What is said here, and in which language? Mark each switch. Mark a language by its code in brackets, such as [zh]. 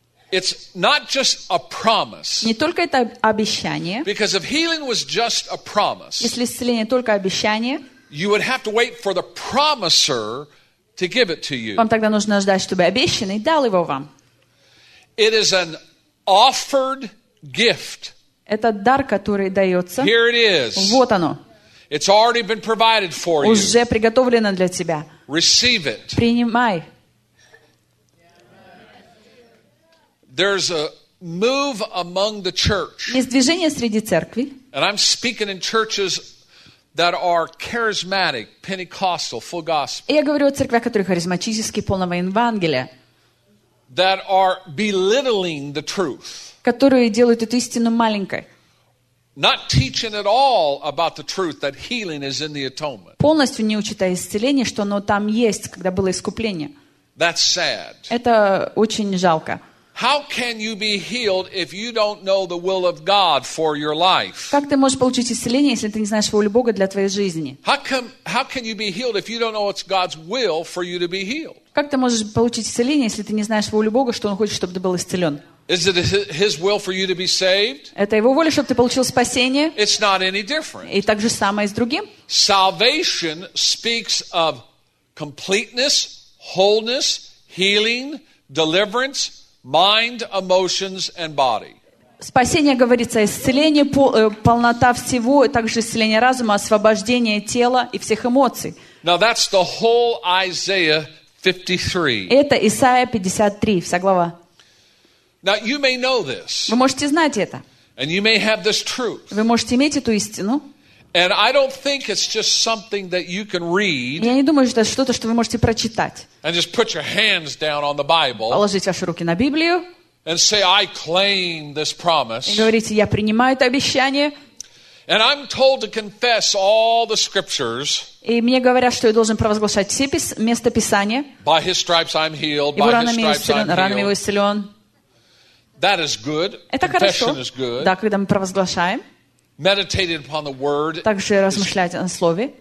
[en] It's not just a promise. [ru] Не только это обещание. [en] Because if healing was just a promise. [ru] Если исцеление только обещание. [en] You would have to wait for the promiser to give it to you. [ru] Вам тогда нужно ждать, чтобы обещанный дал его вам. [en] It is an offered gift. [ru] Это дар, который дается. [en] Here it is. [ru] Вот оно. [en] It's already been provided for you. [ru] Уже приготовлено для тебя. [en] Receive it. [ru] Принимай. [en] There's a move among the church. [ru] Есть движение среди церкви. [en] And I'm speaking in churches that are charismatic, Pentecostal, full gospel. [ru] Я говорю о церквях, которые харизматические, полного Евангелия. [en] That are belittling the truth. [ru] Которые делают эту истину маленькой. [en] Not teaching at all about the truth that healing is in the atonement. [ru] Полностью не учат о исцелении, что оно там есть, когда было искупление. [en] That's sad. [ru] Это очень жалко. [en] How can you be healed if you don't know the will of God for your life? [ru] Как ты можешь получить исцеление, если ты не знаешь волю Бога для твоей жизни? [en] How can you be healed if you don't know it's God's will for you to be healed? [ru] Как ты можешь получить исцеление, если ты не знаешь волю Бога, что Он хочет, чтобы ты был исцелен? [en] Is it His will for you to be saved? [ru] Это Его воля, чтобы ты получил спасение? [en] It's not any different. [ru] И так же самое с другим. [en] Salvation speaks of completeness, wholeness, healing, deliverance. Mind, emotions, and body. [ru] Спасение говорится, исцеление, полнота всего, также исцеление разума, освобождение тела и всех эмоций. [en] Now that's the whole Isaiah 53. [ru] Это Исаия 53, вся глава. [en] Now you may know this. [ru] Вы можете знать это. [en] And you may have this truth. [ru] Вы можете иметь эту истину. [en] And I don't think it's just something that you can read. [ru] Я не думаю, что это что-то, что вы можете прочитать. [en] And just put your hands down on the Bible. [ru] Положить ваши руки на Библию. [en] And say, I claim this promise. [ru] И говорите, я принимаю это обещание. [en] And I'm told to confess all the scriptures. [ru] И мне говорят, что я должен провозглашать все места Писания. [en] By His stripes I'm healed. By His stripes I'm healed. That is good. [ru] Это [en] confession is good. [ru] Да, когда мы провозглашаем. [en] Meditated upon the word. [ru] Также размышлять о слове.